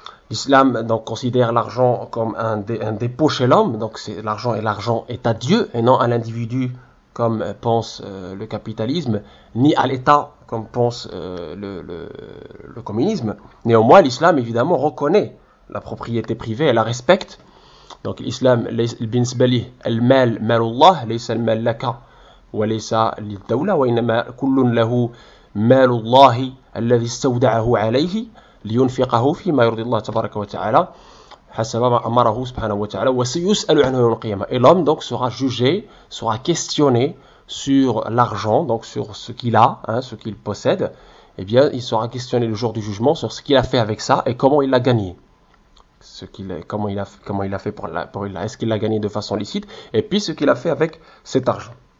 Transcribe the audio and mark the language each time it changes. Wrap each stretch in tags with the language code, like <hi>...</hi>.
<fr>L'islam donc considère l'argent comme un dépôt chez l'homme, donc c'est l'argent et l'argent est à Dieu et non à l'individu comme pense le capitalisme, ni à l'État comme pense le communisme. Néanmoins, l'islam évidemment reconnaît la propriété privée et la respecte. Donc l'islam</fr> <ar>بالنسبة لي المال مال الله ليس المال لك وليس للدولة وإنما كل له مال الله الذي استودعه عليه لينفقه فيما يرضي الله تبارك وتعالى حسب ما أمره سبحانه وتعالى وسيسأل عنه يوم القيامة.</ar> <fr>Et l'homme donc sera jugé, sera questionné sur l'argent, donc sur ce qu'il a, hein, ce qu'il possède. Et bien, il sera questionné le jour du jugement sur ce qu'il a fait avec ça et comment il l'a gagné. comment il a fait pour est-ce qu'il l'a gagné de façon licite, et puis ce qu'il a fait avec cet argent.</fr>